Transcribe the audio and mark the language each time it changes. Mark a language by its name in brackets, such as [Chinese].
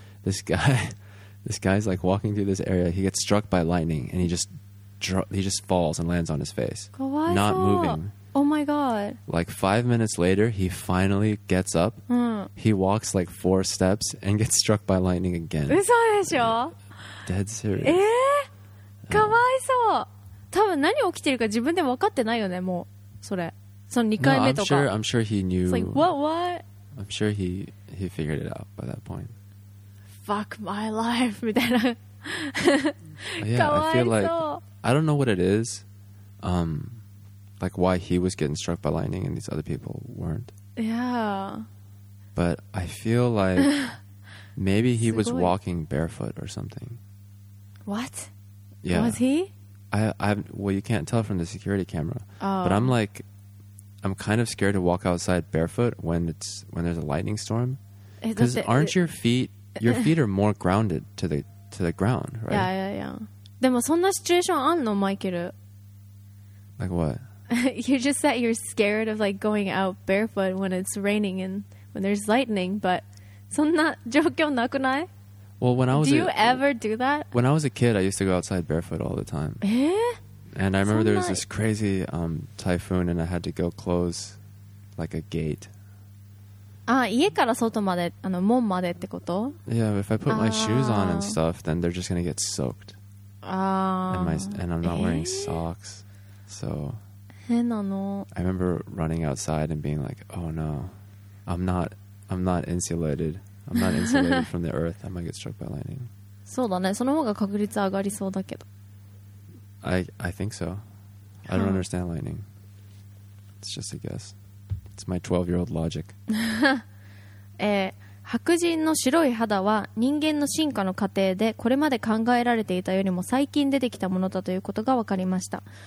[English] This guy's like walking through this area. He gets struck by lightning and he just falls and lands on his face. Not moving. Oh my god. Like 5 minutes later, he finally gets up. He walks like 4 steps and gets struck by lightning again. [Japanese] 嘘でしょ? [English] Dead serious. [Japanese] かわいそう。多分何起きてるか自分でも分かってないよね、もう。それ。その2回目とか。 [English] No, I'm sure he knew. It's like, what, what? I'm sure he figured it out by that point. Fuck my life, [Japanese] みたいな。 [English] Yeah, I feel like, I don't know what it is. Like why he was getting struck by lightning and these other people weren't. Yeah. But I feel like maybe he was walking barefoot or something. What? Yeah. Was he? Well, you can't tell from the security camera. Oh. But I'm kind of scared to walk outside barefoot when there's a lightning storm. Because aren't your feet are more grounded to the ground, right? Yeah, yeah, yeah. [Japanese] でもそんなシチュエーションあんの、マイケル? [English] Like what? You just said you're scared of like going out barefoot when it's raining and when there's lightning, but [Japanese] そんな状況なくない? [English] Well, when I was do you ever do that? When I was a kid, I used to go outside barefoot all the time. And I remember there was this crazy typhoon and I had to go close like a gate. [Japanese] Ah, 家から外まで、あの、門までってこと? [English] Yeah, if I put my shoes on and stuff, then they're just going to get soaked. And I'm not wearing socks. So... I remember running outside and being like, oh no, I'm not insulated from the earth. I might get struck by lightning. [Japanese] そうだね。その方が確率上がりそうだけど。 [English] I think so. I don't understand lightning. It's just a guess. It's my 12-year-old logic. [Japanese] 白人の白い肌は人間の進化の過程でこれまで考えられていたよりも最近出てきたものだということが分かりました。